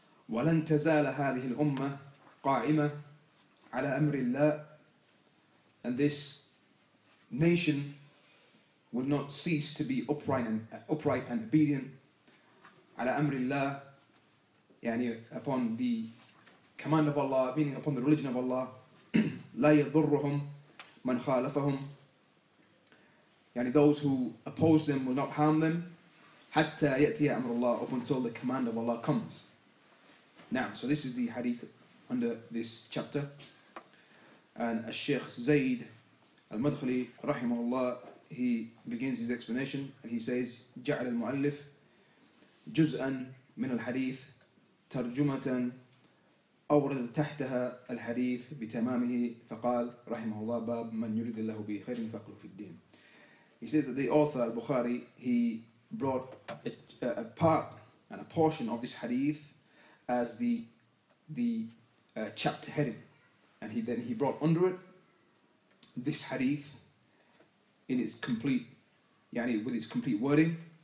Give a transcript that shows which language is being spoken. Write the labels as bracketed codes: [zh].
[ar] وَلَنْ تَزَالَ هَذِهِ الْأُمَّةِ قَائِمَةِ عَلَىٰ أَمْرِ اللَّهِ [en] And this nation will not cease to be upright and obedient [ar] عَلَىٰ أَمْرِ اللَّهِ يعني [en] upon the command of Allah, meaning upon the religion of Allah [ar] لَا يَضُرُّهُمْ مَنْ خَالَفَهُمْ يعني [en] those who oppose them will not harm them [ar] حَتَّى يَأْتِيَ أَمْرُ اللَّهِ [en] up until the command of Allah comes. Now, so this is the hadith under this chapter. And Al-Sheikh Zayd Al-Madkhali, rahimahullah, he begins his explanation and he says, [ar] جعل المؤلف جزءا من الحديث ترجمة أورد تحتها الحديث بتمامه فقال رحمهullah باب من يريد الله به خير فقله في الدين. [en] He says that the author Al-Bukhari, he brought a part and a portion of this hadith as the chapter heading. And he brought under it this hadith in its complete, yani with its complete wording.